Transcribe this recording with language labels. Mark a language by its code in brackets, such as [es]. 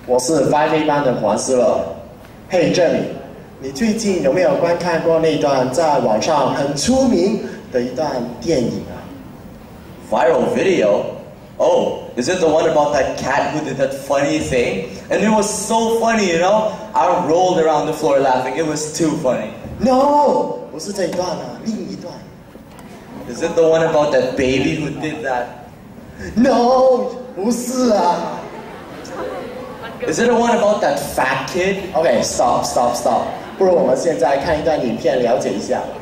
[zh] 我是5A班的黄思乐。Hey, Jeremy, 你最近有没有观看过那段在网上很出名的一段电影啊? [en] Viral video? Oh, is it the one about that cat who did that funny thing? And it was so funny, you know? I rolled around the floor laughing. It was too funny. [zh] No, 不是这一段啊,另一段。 [en] Is it the one about that baby who did that? [zh] No, 不是啊。 [en] Is it the one about that fat kid? Okay, stop. [zh] 不如我们现在看一段影片了解一下。